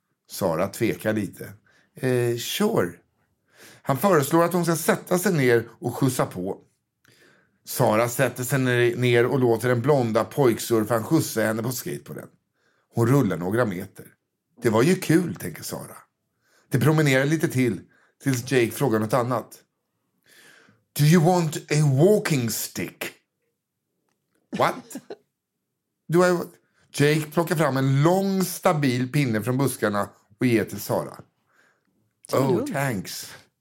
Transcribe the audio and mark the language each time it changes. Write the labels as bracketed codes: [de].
[sv] Sara tvekar lite. [en] Sure. [sv] Han föreslår att hon ska sätta sig ner och skjutsa på. Sara sätter sig ner och låter den blonda pojksurfaren skjutsa henne på skateboarden. Hon rullar några meter. Det var ju kul, tänker Sara. Det promenerar lite till, tills Jake frågar något annat. [en] Do you want a walking stick? What? [sv] Jake plockar fram en lång, stabil pinne från buskarna och ger till Sara. [en] Oh, thanks.